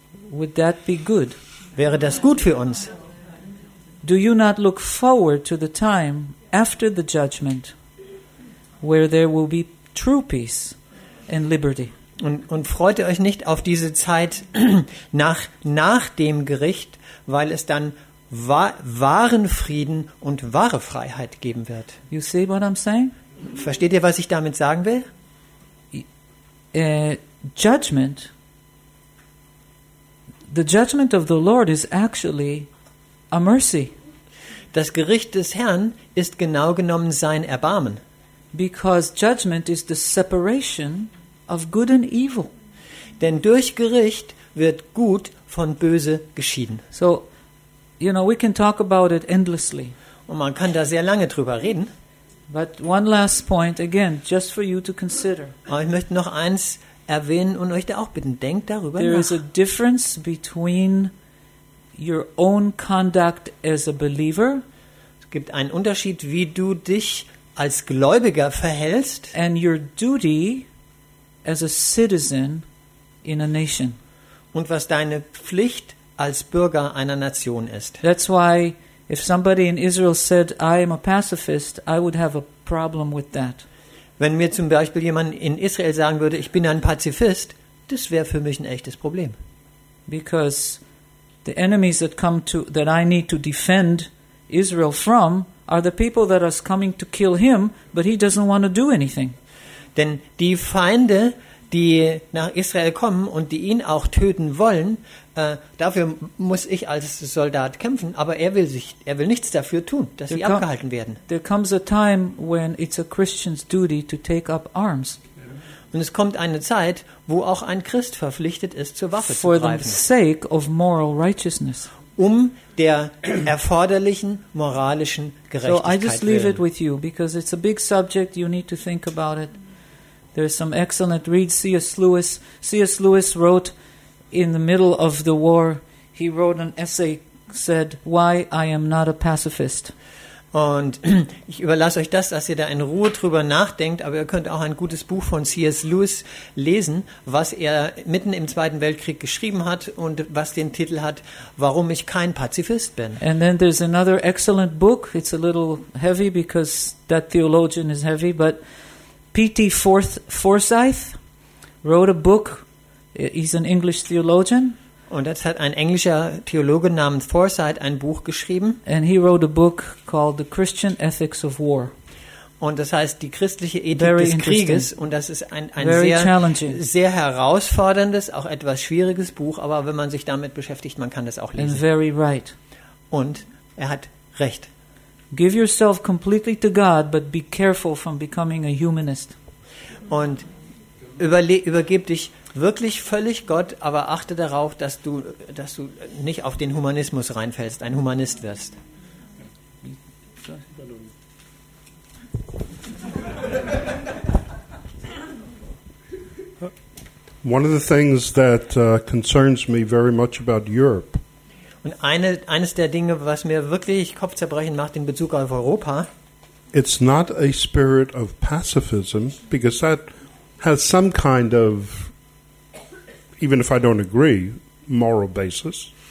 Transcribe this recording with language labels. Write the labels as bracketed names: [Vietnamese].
[English] would that be good? [German] Wäre das gut für uns? [English] Do you not look forward to the time after the judgment where there will be true peace and liberty? [German] Und freut ihr euch nicht auf diese Zeit nach dem Gericht, weil es dann wahren Frieden und wahre Freiheit geben wird? [English] You see what I'm saying? [German] Versteht ihr, was ich damit sagen will? [English] Judgment. The judgment of the Lord is actually a mercy. [German] Das Gericht des Herrn ist genau genommen sein Erbarmen. [English] Because judgment is the separation of good and evil. [German] Denn durch Gericht wird Gut von Böse geschieden. [English] So, you know, we can talk about it endlessly. [German] Und man kann da sehr lange drüber reden. [English] But one last point again, just for you to consider. [German] Aber ich möchte noch eins erwähnen und euch da auch bitten, denkt darüber [English] there [German] nach. [English] Is a difference between your own conduct as a believer. [German] Es gibt einen Unterschied, wie du dich als Gläubiger verhältst, [English] and your duty as a citizen in a nation. [German] Und was deine Pflicht als Bürger einer Nation ist. [English] That's why if somebody in Israel said, I am a pacifist, I would have a problem with that. [German] Wenn mir zum Beispiel jemand in Israel sagen würde, ich bin ein Pazifist, das wäre für mich ein echtes Problem. [English] Because the enemies that come to, that I need to defend Israel from, are the people that are coming to kill him, but he doesn't want to do anything. [German] Denn die Feinde, die nach Israel kommen und die ihn auch töten wollen, dafür muss ich als Soldat kämpfen, aber er will nichts dafür tun, dass sie abgehalten werden. [English] There comes a time when it's a Christian's duty to take up arms. [German] Und es kommt eine Zeit, wo auch ein Christ verpflichtet ist, zur Waffe [English] for [German] zu greifen. [English] The sake of moral righteousness. [German] Um der erforderlichen moralischen Gerechtigkeit willen. [English] So I just leave [German] willen. [English] It with you, because it's a big subject, you need to think about it. There's some excellent reads, C.S. Lewis. C.S. Lewis wrote in the middle of the war, he wrote an essay, said, Why I am not a pacifist. [German] Und ich überlasse euch das, dass ihr da in Ruhe drüber nachdenkt, aber ihr könnt auch ein gutes Buch von C.S. Lewis lesen, was er mitten im Zweiten Weltkrieg geschrieben hat und was den Titel hat, Warum ich kein Pazifist bin. [English] And then there's another excellent book, it's a little heavy because that theologian is heavy, but P.T. Forsyth wrote a book, he's an English theologian. [German] Und jetzt hat ein englischer Theologe namens Forsyth ein Buch geschrieben. [English] And he wrote a book called The Christian Ethics of War. [German] Und das heißt die christliche Ethik Very des Krieges. Und das ist ein sehr herausforderndes, auch etwas schwieriges Buch. Aber wenn man sich damit beschäftigt, man kann das auch lesen. [English] And very right. [German] Und er hat recht. [English] Give yourself completely to God, but be careful from becoming a humanist. [German] Und übergib dich wirklich völlig Gott, aber achte darauf, dass du nicht auf den Humanismus reinfällst, ein Humanist wirst. [English] One of the things that concerns me very much about Europe. [German] Und eines der Dinge, was mir wirklich Kopfzerbrechen macht in Bezug auf Europa. [English] It's not a spirit of pacifism, because that has some kind of, even if I don't agree, moral basis.